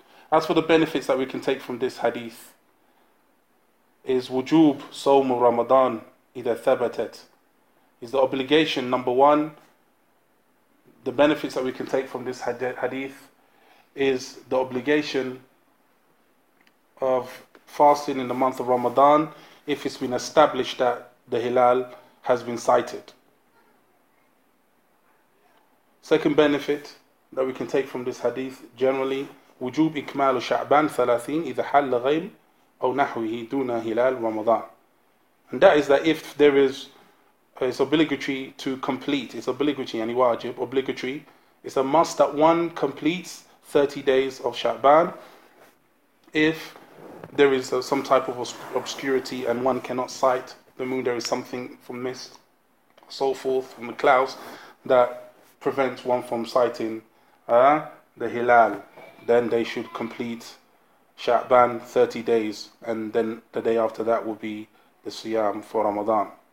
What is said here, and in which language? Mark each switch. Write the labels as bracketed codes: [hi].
[en] As for the benefits that we can take from this hadith, is [ar] wujub sawm Ramadan idha thabatat, [en] is the obligation, number 1. The benefits that we can take from this hadith is the obligation of fasting in the month of Ramadan if it's been established that the hilal has been sighted. Second benefit that we can take from this hadith generally, [ar] وجوب إكمال شعبان ثلاثين إذا حل غيم أو نحوه دون هلال رمضان. [en] And that is that if there is, it's obligatory to complete, it's obligatory, any wajib, obligatory, it's a must that one completes 30 days of Sha'ban if there is some type of obscurity and one cannot sight the moon, there is something from mist, so forth, from the clouds, that prevents one from sighting the Hilal, then they should complete Sha'ban 30 days, and then the day after that will be the Siyam for Ramadan.